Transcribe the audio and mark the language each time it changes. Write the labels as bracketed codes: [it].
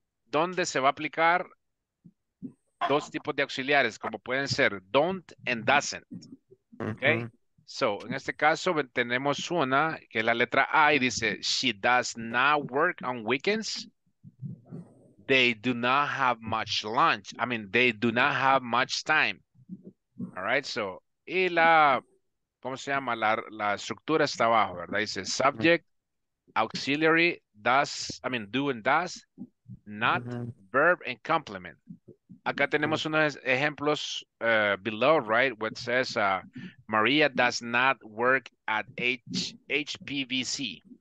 [es] ¿Dónde se va a aplicar dos tipos de auxiliares, como pueden ser don't and doesn't, okay? So, en este caso, tenemos una, que es la letra A, y dice, [en] she does not work on weekends. They do not have much lunch. I mean, they do not have much time. All right, so, [es] y la, ¿cómo se llama? La estructura está abajo, ¿verdad? [en] Dice, subject, auxiliary, does, I mean, do and does, not, verb, and complement. [es] Acá tenemos unos ejemplos [en] below, right? What says, Maria does not work at HPVC.